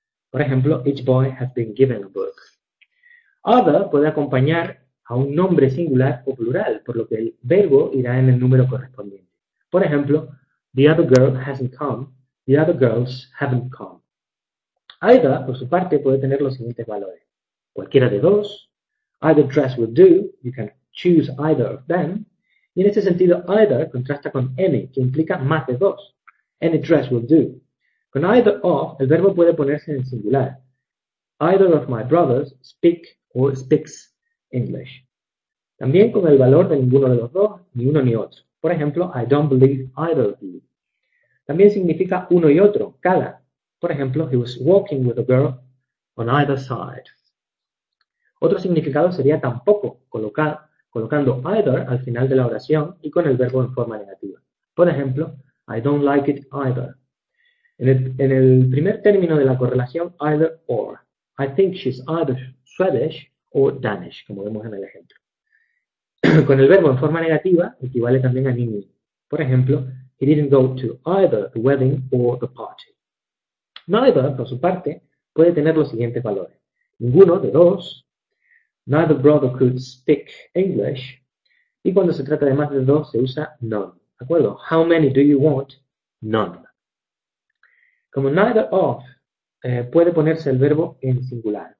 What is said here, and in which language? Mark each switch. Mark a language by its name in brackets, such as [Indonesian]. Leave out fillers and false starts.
[Spanish] Por ejemplo, [English] each boy has been given a book. [Spanish] Other puede acompañar a un nombre singular o plural, por lo que el verbo irá en el número correspondiente. [English] Por ejemplo, the other girl hasn't come, the other girls haven't come. [Spanish] Either, por su parte, puede tener los siguientes valores. Cualquiera de dos, [English] either dress will do, you can choose either of them. [Spanish] Y en este sentido, either contrasta con any, que implica más de dos. [English] Any dress will do. [Spanish] Con either of, el verbo puede ponerse en singular. [English] Either of my brothers speak or speaks English. [Spanish] También con el valor de ninguno de los dos, ni uno ni otro. Por ejemplo, [English] I don't believe either of you. [Spanish] También significa uno y otro, cada. Por ejemplo, [English] he was walking with a girl on either side. [Spanish] Otro significado sería tampoco, colocando either al final de la oración y con el verbo en forma negativa. Por ejemplo, [English] I don't like it either. [Spanish] En el primer término de la correlación, either or. [English] I think she's either Swedish or Danish, [Spanish] como vemos en el ejemplo. Con el verbo en forma negativa, equivale también a ni. Por ejemplo, [English] he didn't go to either the wedding or the party. [Spanish] Neither, por su parte, puede tener los siguientes valores. Ninguno de dos. [English] Neither brother could speak English. [Spanish] Y cuando se trata de más de dos, se usa none. ¿De acuerdo? [English] How many do you want? None. [Spanish] Como neither of, puede ponerse el verbo en singular.